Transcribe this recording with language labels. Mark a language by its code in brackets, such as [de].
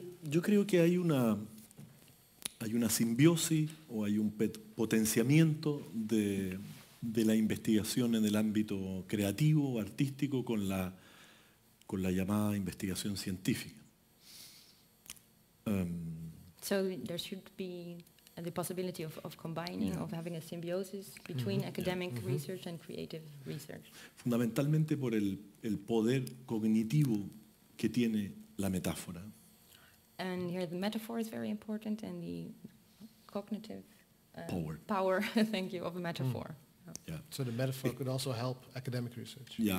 [es] Yo creo que hay una simbiosis o hay un potenciamiento de la investigación en el ámbito creativo, artístico, con la llamada investigación científica. [en] So there should be the possibility of combining, of having a symbiosis between academic research and creative research. [es] Fundamentalmente por el poder cognitivo que tiene la metáfora. [en] And here the metaphor is very important, and the cognitive power thank you, of a metaphor. So the metaphor could also help academic research.